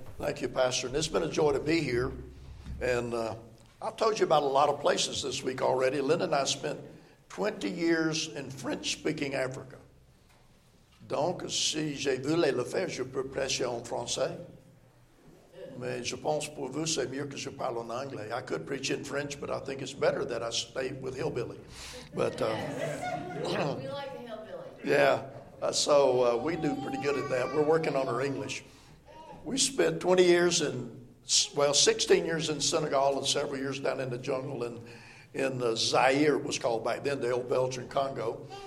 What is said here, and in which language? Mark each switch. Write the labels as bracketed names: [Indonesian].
[English] Thank you, Pastor. And it's been a joy to be here. And I've told you about a lot of places this week already. Linda and I spent 20 years in French-speaking Africa. [French] Donc, si je voulais le faire, je peux prêcher en français. Mais je pense pour vous, c'est mieux que je parle en anglais. [English] I could preach in French, but I think it's better that I stay with Hillbilly. But we like the Hillbilly. Yeah, so we do pretty good at that. We're working on our English. We spent 20 years in, well, 16 years in Senegal and several years down in the jungle in the Zaire, it was called back then, the old Belgian Congo.